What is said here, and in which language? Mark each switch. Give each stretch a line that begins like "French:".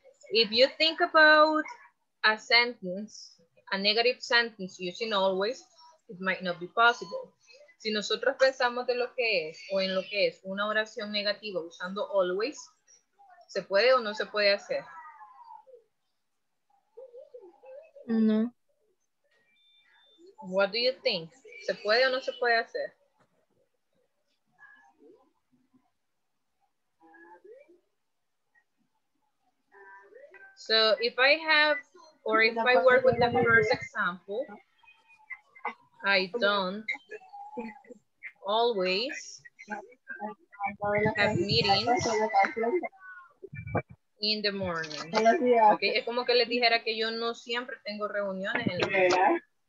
English: If you think about a sentence, a negative sentence using always, it might not be possible.
Spanish: Si nosotros pensamos de lo que es o en lo que es una oración negativa usando always, ¿se puede o no se puede hacer? No.
English: What do you think?
Spanish: ¿Se puede o no se puede hacer?
English: So if I have, or if I work with the first example, I don't always have meetings in the morning.
Spanish: Okay, es como que les dijera que yo no siempre tengo reuniones en la mañana.